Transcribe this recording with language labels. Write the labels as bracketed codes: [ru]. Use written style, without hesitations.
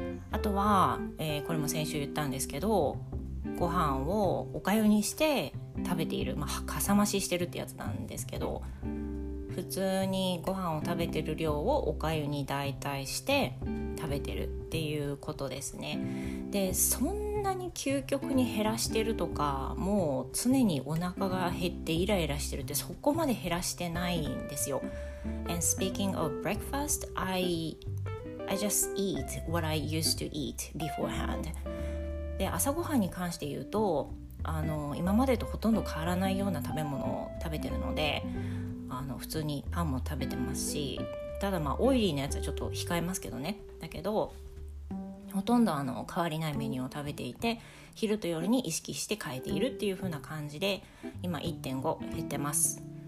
[ja] あとは、これも先週言ったんですけど、ご飯をおかゆにして食べている、まあ、かさ増ししてるってやつなんですけど、普通にご飯を食べてる量をおかゆに代替して食べてるっていうことですね。で、そんなに究極に減らしてるとか、もう常にお腹が減ってイライラしてるって、そこまで減らしてないんですよ。 [en] And speaking of breakfast, I just eat what I used to eat beforehand. [ja] で、朝ごはんに関して言うと、今までとほとんど変わらないような食べ物を食べてるので、普通にパンも食べてますし、ただまあオイリーなやつはちょっと控えますけどね。だけど、ほとんど変わりないメニューを食べていて、昼と夜に意識して変えているっていう風な感じで、今 1.5 減ってます。